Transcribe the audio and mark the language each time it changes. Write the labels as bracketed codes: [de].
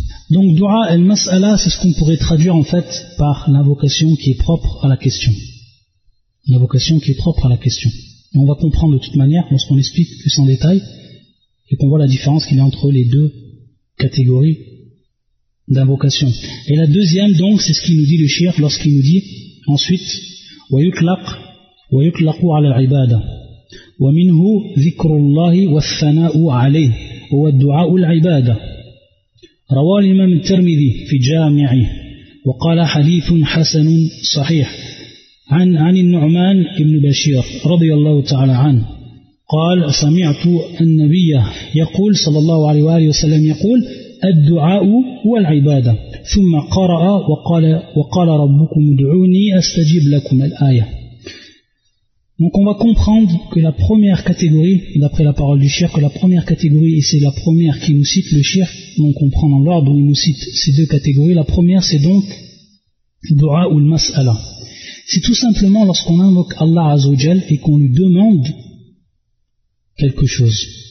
[fr] Donc du'a al-mas'ala, c'est ce qu'on pourrait traduire en fait par l'invocation qui est propre à la question. L'invocation qui est propre à la question. Et on va comprendre de toute manière lorsqu'on explique plus en détail et qu'on voit la différence qu'il y a entre les deux catégories d'invocation. Et la deuxième, donc, c'est ce qu'il nous dit le shir lorsqu'il nous dit ensuite [ar] ويطلق ويطلق على العبادة ومنه ذكر الله والثناء عليه والدعاء العبادة روى الإمام الترمذي في جامعه وقال حديث حسن صحيح عن النعمان بن بشير رضي الله تعالى عنه قال سمعت النبي يقول صلى الله عليه وآله وسلم يقول الدعاء والعبادة ثم قرأ وقال ربكم ادعوني استجب لكم الآية. [fr] Donc on va comprendre que la première catégorie, d'après la parole du shir, que la première catégorie, et c'est la première qui nous cite le shir, on comprend dans l'ordre où il nous cite ces deux catégories. La première, c'est donc du'a ou al-mas'ala. C'est tout simplement lorsqu'on invoque Allah Azzawajal et qu'on lui demande quelque chose.